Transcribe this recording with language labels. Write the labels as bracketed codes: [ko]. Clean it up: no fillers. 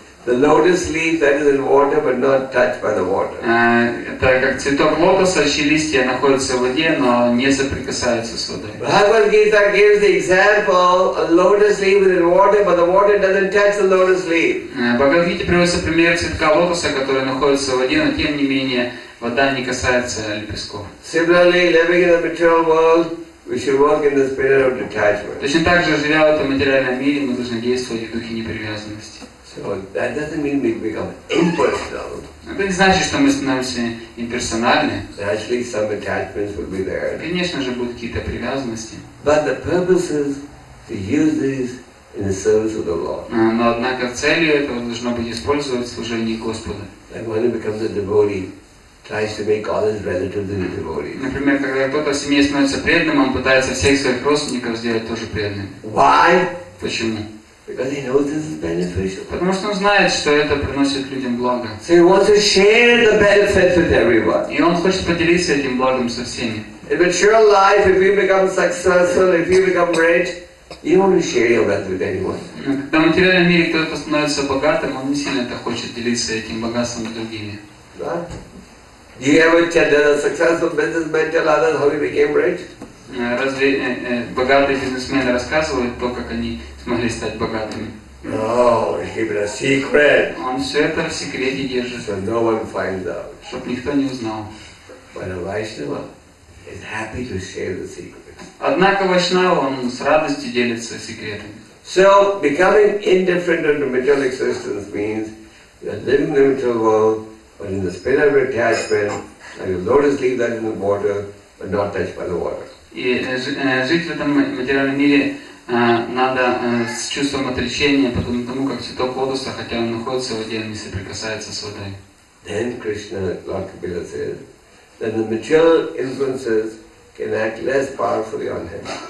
[en] The lotus leaf that is in water but not touched by the water. [ru] Это как цветок лотоса, чьи листья находятся в воде, но не соприкасаются с водой. [en] Bhagavad Gita gives the example a lotus leaf is in water, but the water doesn't touch the lotus leaf. [ru] Bhagavad Gita приводит пример цветка лотоса, который находится в воде, но тем не менее вода не касается лепестков. [en] Similarly, living in the material world, We should walk in the spirit of detachment. [ru] Точно так же, живя в этом материальном мире, мы должны действовать в духе непривязанности. [en] So that doesn't mean we become impersonal. [ru] Это не значит, что мы становимся имперсональны. [en] Actually, some attachments will be there. [ru] Конечно же, будут какие-то привязанности. [en] But the purpose is to use these in the service of the Lord. [ru] Но однако целью этого должно быть использовать служение Господу. [en] Like when he becomes a devotee. Tries to make all his relatives into devotees. [ru] Например, когда кто-то в семье становится преданным, он пытается всех своих родственников сделать тоже преданными. [en] Why? [ru] Почему? [en] Because he knows this is beneficial. [ru] Потому что он знает, что это приносит людям благо. [en] So he wants to share the benefits with everyone. [ru] И он хочет поделиться этим благом со всеми. [en] In mature life, if you become successful, if you become rich, you don't want to share your wealth with anyone. [ru] Когда в материальном мире кто-то становится богатым, он не сильно это хочет делиться этим богатством с другими. Да? [en] Do you ever tell a successful businessman tell others how he became rich? [ru] Разве богатые бизнесмены рассказывают то, как они смогли стать богатыми? [en] No, he kept a secret. [ru] Он все это в секрете держит. [en] So no one finds out. [ru] Чтоб никто не узнал. [en] But a Vaishnava is happy to share the secret. [ru] Однако Вайшнава он с радостью делится секретами. [en] So becoming indifferent to material existence means you're living in the material world. But in the spirit of detachment, like the lotus leaf that is in the water, but not touched by the water. [ru] И жить в этом материальном мире надо с чувством отречения, потому тому как цветок лотоса, хотя он находится в воде, не соприкасается с водой. [en] Then Krishna, Lord Kapila says, that the material influences can act less powerfully on him.